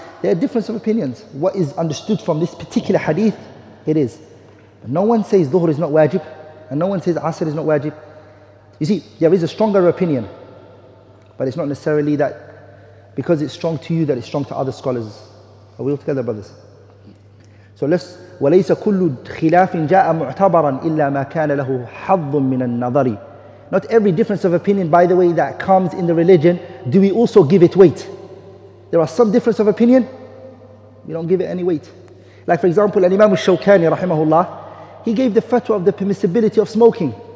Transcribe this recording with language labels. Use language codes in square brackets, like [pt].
[en] There are difference of opinions. What is understood from this particular hadith, it is. No one says Dhuhr is not wajib, and no one says Asr is not wajib. You see, there is a stronger opinion, but it's not necessarily that because it's strong to you that it's strong to other scholars. Are we all together, brothers? So let's. [ar] وليس كل خلاف جاء معتبرا إلا ما كان له حظ من النظري. [en] Not every difference of opinion, by the way, that comes in the religion, do we also give it weight? There are some difference of opinion, we don't give it any weight. Like for example, Imam al-Shawkani, rahimahullah, he gave the fatwa of the permissibility of smoking.